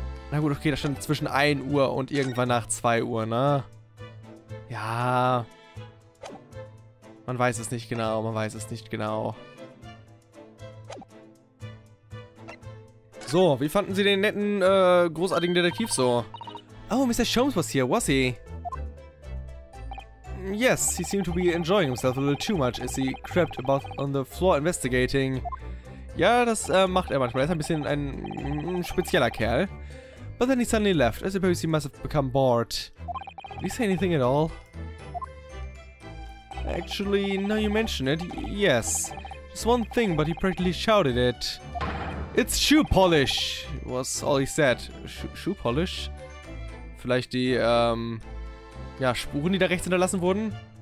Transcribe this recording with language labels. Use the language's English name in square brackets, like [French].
[German] Na gut, okay, da stand zwischen 1 Uhr und irgendwann nach 2 Uhr, ne? Ja. Man weiß es nicht genau, man weiß es nicht genau. So, wie fanden Sie den netten, großartigen Detektiv so? [English] Oh, Mr. Sholmes was here, was he? Yes, he seemed to be enjoying himself a little too much as he crept about on the floor investigating. [German] Ja, das macht er manchmal. Er ist ein bisschen ein spezieller Kerl. [English] But then he suddenly left. I suppose he must have become bored. Did he say anything at all? Actually, now you mention it, yes. Just one thing, but he practically shouted it. It's shoe polish, was all he said. Shoe polish? [German] Vielleicht die, ja, Spuren, die da rechts hinterlassen wurden?